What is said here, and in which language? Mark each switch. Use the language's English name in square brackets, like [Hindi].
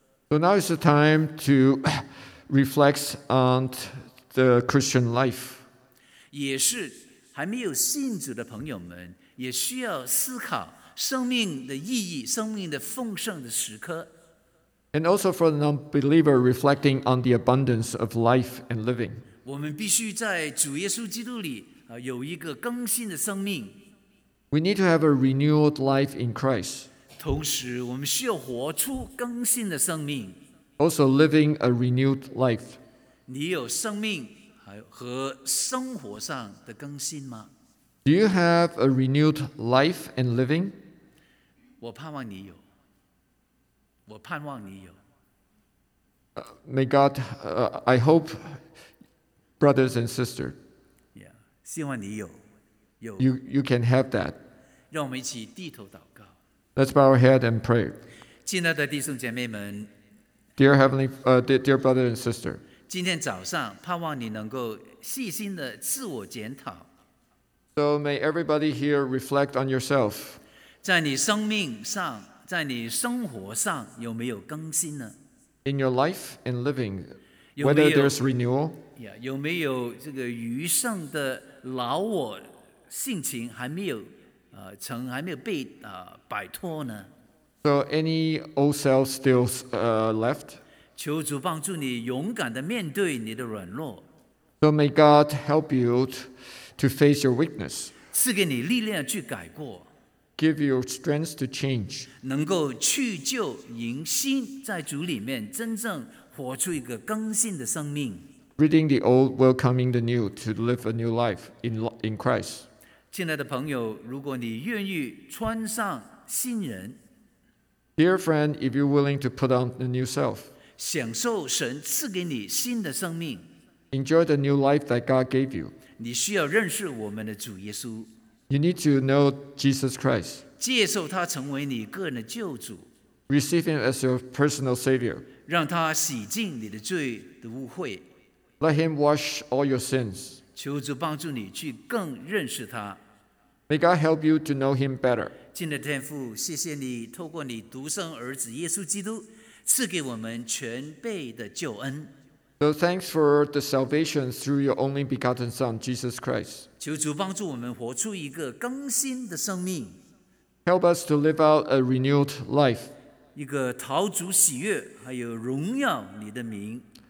[English] So now is the time to reflect on the Christian life. [Chinese] 也是还没有信主的朋友们也需要思考生命的意义生命的丰盛的时刻。 [English] And also for the non-believer reflecting on the abundance of life and living. [Chinese] 我们必须在主耶稣基督里有一个更新的生命。 [English] We need to have a renewed life in Christ. [Chinese] 同时我们需要活出更新的生命。 [English] Also living a renewed life. [Chinese] 你有生命和生活上的更新吗？ [English] Do you have a renewed life and living? [Chinese] 我盼望你有。我盼望你有。 [English] May God, I hope, brothers and sisters. [Chinese] Yeah, 希望你有。 [English] You can have that. [Chinese] 让我们一起低头祷告。 [English] Let's bow our head and pray. [Chinese] 亲爱的弟兄姐妹们 [English] dear brother and sister, [Chinese] 今天早上盼望你能够细心的自我检讨。 [English] So may everybody here reflect on yourself. [Chinese] 在你生命上，在你生活上有没有更新呢？ [English] In your life and living, whether there's renewal, [Chinese] 有没有这个余剩的老我性情还没有曾还没有被摆脱呢。 [English] So any old self still left? [Chinese] 求主帮助你勇敢地面对你的软弱。 [English] So may God help you to face your weakness. [Chinese] 赐给你力量去改过。 [English] Give you strength to change. [Chinese] 能够去旧迎新，在主里面真正活出一个更新的生命。 [English] Reading the old, welcoming the new to live a new life in Christ. [Chinese] 亲爱的朋友，如果你愿意穿上新人 [English] ，Dear friend, if you're willing to put on the new self, [Chinese] 享受神赐给你新的生命 [English] ，Enjoy the new life that God gave you. [Chinese] 你需要认识我们的主耶稣 [English] ，You need to know Jesus Christ. [Chinese] 接受他成为你个人的救主 [English] ，Receive him as your personal savior. [Chinese] 让他洗净你的罪的污秽 [English] ，Let him wash all your sins. [Chinese] 求主帮助你去更认识他。 [English] May God help you to know him better. [Chinese] 亲爱的天父，谢谢你透过你独生儿子耶稣基督赐给我们全备的救恩。 [English] So thanks for the salvation through your only begotten Son, Jesus Christ. [Chinese] 求主帮助我们活出一个更新的生命。 [English] Help us to live out a renewed life. [Chinese] 一个讨主喜悦还有荣耀你的名。